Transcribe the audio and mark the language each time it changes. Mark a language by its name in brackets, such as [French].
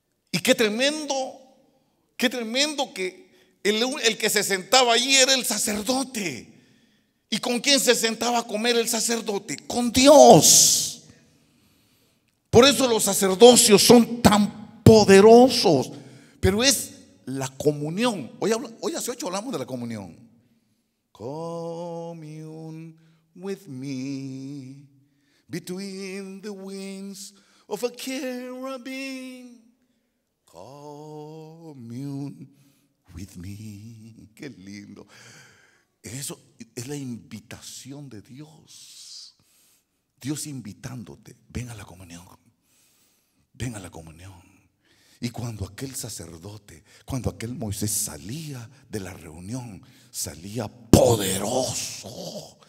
[Spanish] Y qué tremendo que el que se sentaba allí era el sacerdote. ¿Y con quién se sentaba a comer el sacerdote? Con Dios. Por eso los sacerdocios son tan poderosos. Pero es la comunión. Hoy hace 8 hablamos de la comunión. [English] Commune with me between the wings of a cherubim. Commune with me. [Spanish] Qué lindo. Eso es la invitación de Dios. Dios invitándote. Ven a la comunión. Ven a la comunión. Y cuando aquel sacerdote, cuando aquel Moisés salía de la reunión, salía poderoso.